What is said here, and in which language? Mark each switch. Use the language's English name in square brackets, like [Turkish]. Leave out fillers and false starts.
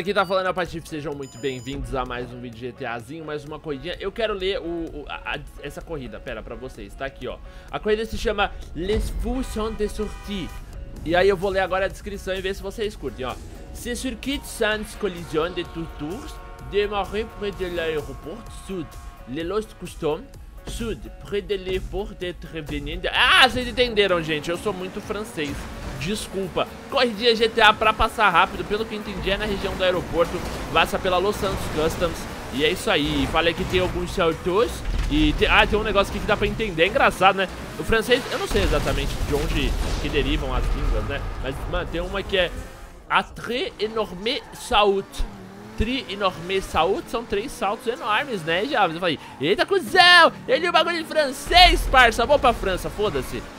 [Portuguese] Aqui tá falando a Patife, sejam muito bem-vindos a mais um vídeo GTAzinho, mais uma corridinha. Eu quero ler essa corrida, pera, pra vocês, tá aqui ó. A corrida se chama Les Fusions de Sortie. E aí eu vou ler agora a descrição e ver se vocês curtem, ó. [French] Ce circuit sans collision de tours, démarré près de l'aéroport sud, les lost custom, sud, près de l'effort de Trevenende. [Portuguese] Ah, vocês entenderam, gente, eu sou muito francês. Desculpa, corridinha GTA pra passar rápido, pelo que entendi é na região do aeroporto, passa pela Los Santos Customs, e é isso aí, falei que tem alguns saltos, e tem um negócio aqui que dá pra entender, é engraçado, né, o francês, eu não sei exatamente de onde que derivam as línguas, né, mas, mano, tem uma que é a [French] très énorme saut, très énorme saut, [Portuguese] são três saltos enormes, né, já, eu falei, eita cuzão, ele é um bagulho de francês, parça, vou pra França, foda-se.